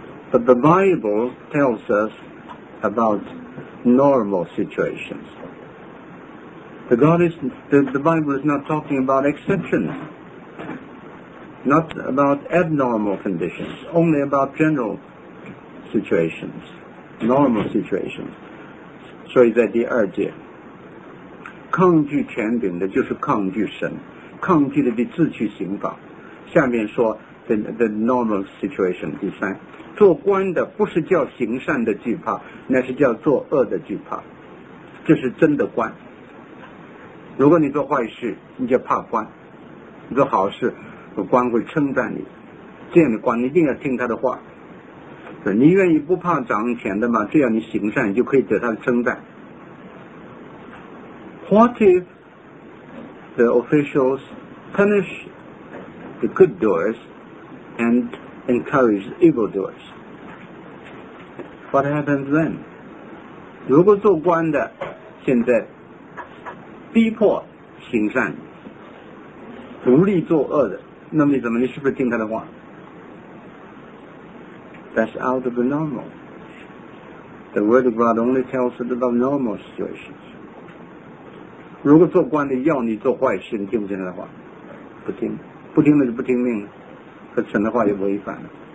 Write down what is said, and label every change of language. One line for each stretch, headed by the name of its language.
English: But the Bible tells us about normal situationsThe Bible is not talking about exceptions, not about abnormal conditions, only about general situations, normal situations.
Chinese: 所以在第二节，抗拒权柄的就是抗拒神，抗拒的比自取刑罚。下面说
English: the normal situation.
Chinese: 第三，做官的不是叫行善的惧怕，那是叫做恶的惧怕，这是真的官。如果你做坏事，你就怕官；你做好事，官会称赞你。这样的官，你一定要听他的话。你愿意不怕掌权的吗？只要你行善，你就可以得他的称赞。
English: What if the officials punish the good doers and encourage the evil doers? What happens then?
Chinese: 如果做官的现在逼迫行善，不利作恶的，那么你怎么？你是不是听他的话 ？
English: That's out of the normal. The word of God only tells us about normal situations.
Chinese: 如果做官的要你做坏事，你听不听他的话？不听，不听那就不听命了，和神的话也违反了。